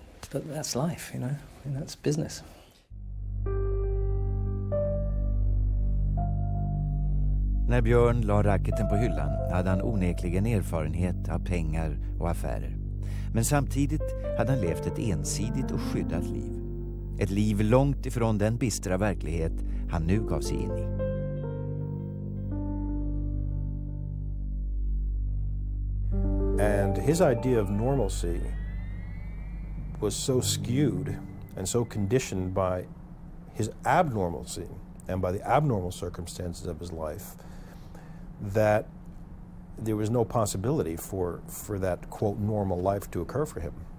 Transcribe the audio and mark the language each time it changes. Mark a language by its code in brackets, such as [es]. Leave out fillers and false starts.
[en] But that's life, you know, and that's business. [sv] När Björn la racketen på hyllan hade han onekligen erfarenhet av pengar och affärer. Men samtidigt hade han levt ett ensidigt och skyddat liv. Ett liv långt ifrån den bistra verklighet han nu gav sig in i. [en] And his idea of normalcy was so skewed and so conditioned by his abnormalcy and by the abnormal circumstances of his life that there was no possibility for that quote normal life to occur for him.